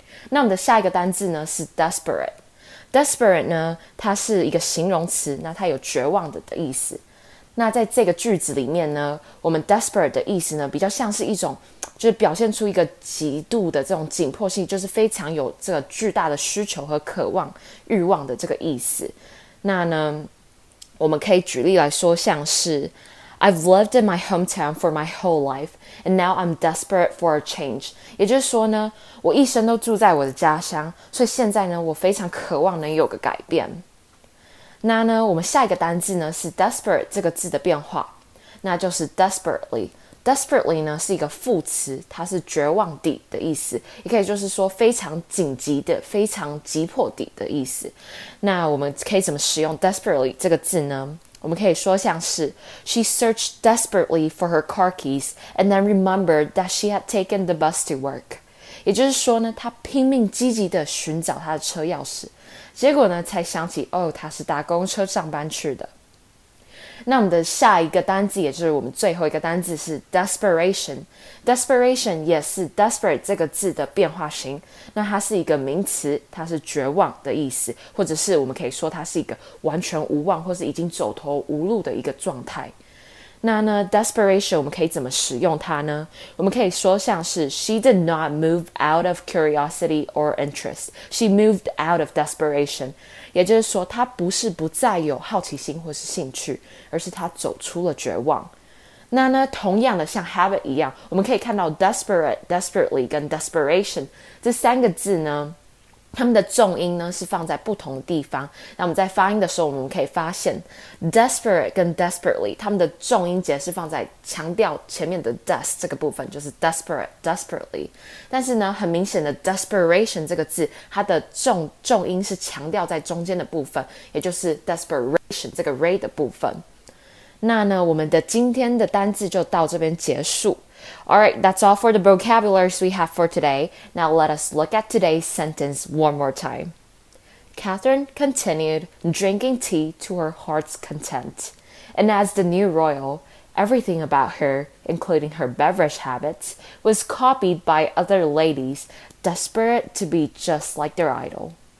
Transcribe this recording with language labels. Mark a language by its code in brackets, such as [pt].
[zh] 那我们的下一个单字呢是 desperate。desperate 呢它是一个形容词，那它有绝望的意思。那在这个句子里面呢，我们 desperate 的意思呢比较像是一种就是表现出一个极度的这种紧迫性，就是非常有这个巨大的需求和渴望欲望的这个意思。那呢，我们可以举例来说，像是 [en] I've lived in my hometown for my whole life, and now I'm desperate for a change. [zh] 也就是说呢，我一生都住在我的家乡，所以现在呢，我非常渴望能有个改变。那呢，我们下一个单字呢是 desperate 这个字的变化，那就是 desperately。 Desperately 呢是一个副词，它是绝望地的意思，也可以就是说非常紧急的、非常急迫地的意思。那我们可以怎么使用 desperately 这个字呢？我们可以说像是 [en] She searched desperately for her car keys and then remembered that she had taken the bus to work. [zh] 也就是说呢，她拼命积极地寻找她的车钥匙，结果呢才想起哦，她是搭公车上班去的。那我们的下一个单字，也就是我们最后一个单字是 desperation。 desperation 也是 desperate 这个字的变化型。那它是一个名词，它是绝望的意思，或者是我们可以说它是一个完全无望，或是已经走投无路的一个状态。那呢，desperation 我们可以怎么使用它呢？我们可以说像是 [en] She did not move out of curiosity or interest. She moved out of desperation. [zh] 也就是说，她不是不再有好奇心或是兴趣，而是她走出了绝望。那呢，同样的像 habit 一样，我们可以看到 desperate、desperately 跟 desperation 这三个字呢，它们的重音呢是放在不同的地方。那我们在发音的时候，我们可以发现 desperate 跟 desperately 它们的重音节是放在强调前面的 des 这个部分，就是 desperate、desperately。但是呢，很明显的 desperation 这个字，它的重音是强调在中间的部分，也就是 desperation 这个 re 的部分。那呢，我们的今天的单字就到这边结束。 [en] All right, that's all for the vocabularies we have for today. Now let us look at today's sentence one more time. Catherine continued drinking tea to her heart's content. And as the new royal, everything about her, including her beverage habits, was copied by other ladies desperate to be just like their idol.